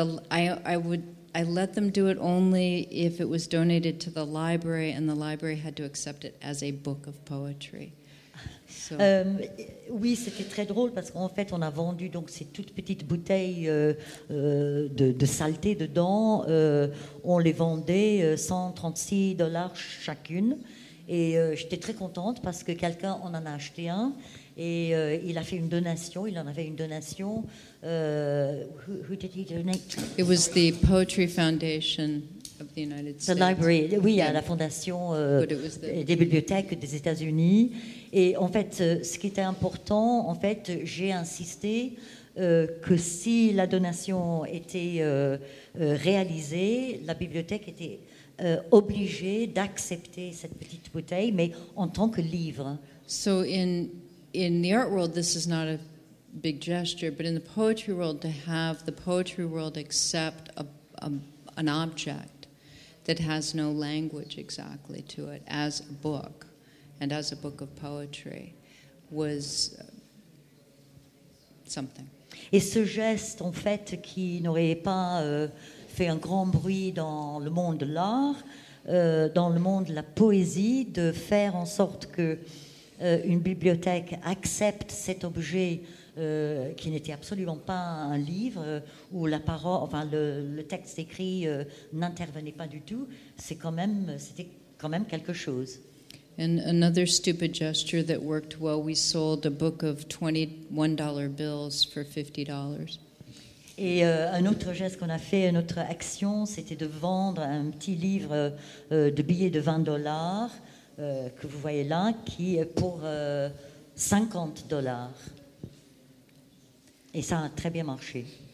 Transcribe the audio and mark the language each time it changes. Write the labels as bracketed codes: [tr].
[en] I let them do it only if it was donated to the library, and the library had to accept it as a book of poetry. So. [fr] Oui, c'était très drôle parce qu'en fait, on a vendu donc ces toutes petites bouteilles de saleté dedans. On les vendait $136 chacune. Et j'étais très contente parce que quelqu'un en a acheté un et il a fait une donation. Il en avait une donation. [en] Who did he donate? It was the Poetry Foundation of the United States. The library. [fr] Oui, yeah. À la fondation des bibliothèques des États-Unis. Et en fait, ce qui était important, en fait, j'ai insisté que si la donation était réalisée, la bibliothèque était obligée d'accepter cette petite bouteille, mais en tant que livre. [en] So in the art world, this is not a big gesture, but in the poetry world, to have the poetry world accept an object that has no language exactly to it as a book. And as a book of poetry, was something. [fr] Et ce geste, en fait, qui n'aurait pas fait un grand bruit dans le monde de l'art, dans le monde de la poésie, de faire en sorte que une bibliothèque accepte cet objet qui n'était absolument pas un livre, où la parole, enfin le texte écrit n'intervenait pas du tout, c'était quand même quelque chose. [en] And another stupid gesture that worked well, we sold a book of $21 bills for $50. [fr] Et un autre geste qu'on a fait, une autre action, c'était de vendre un petit livre de billets de $20 que vous voyez là, qui est pour $50. Et ça a très bien marché.